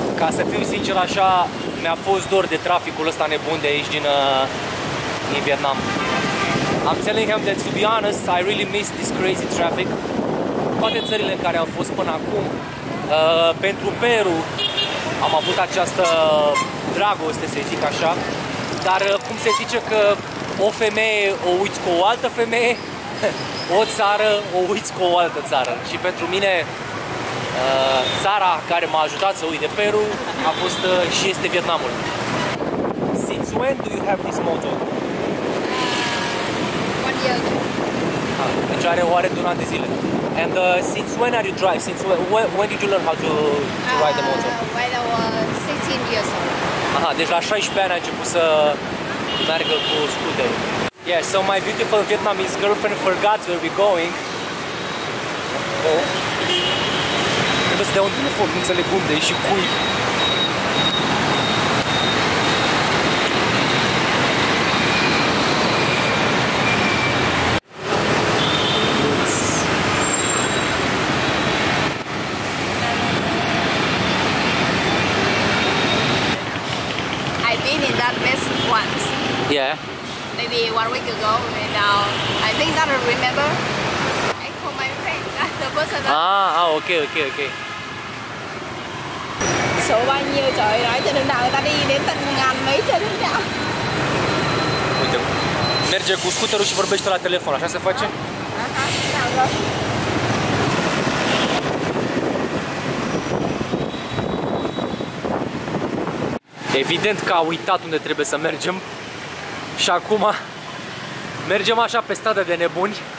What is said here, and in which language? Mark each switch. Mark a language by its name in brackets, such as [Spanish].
[Romanian] Să fiu sincer așa, mi-a fost dor de traficul ăsta nebun de aici din Vietnam. [English] I'm telling him that to be honest, I really miss this crazy traffic. [Romanian] Toate țările în care am fost până acum, pentru Peru, am avut această dragoste, să zic așa. Dar cum se zice că o femeie o uiți cu o altă femeie, o țară o uiți cu o altă țară. Și pentru mine, țara care m-a ajutat să uit de Peru a fost și este Vietnamul. [English] Since when do you have this motto? One year. [Romanian] Deci are oare de un an de zile. [English] And since when are you driving? Since when did you learn how to ride the motto? When I was 16 years old. [Romanian] Aha, deci la 16 ani ai început să meargă cu scooter. [English] Yeah, so my beautiful Vietnamese girlfriend forgot where we're going. Oh. [Romanian] Trebuie să dea un telefon, nu înțeleg unde e și cui. [English] I've been in that place once. Yeah. Maybe 1 week ago, and now I think that I remember. I call my friend, the person that... Okay. [Vietnamese] Số bao nhiêu trời, nói cho đường nào người ta đi đến tận ngàn mấy trên đường nào. [Romanian] Uite, merge cu scooterul și vorbește la telefon, așa se face? Aha, evident că a uitat unde trebuie să mergem. Și acum mergem așa pe stradă de nebuni.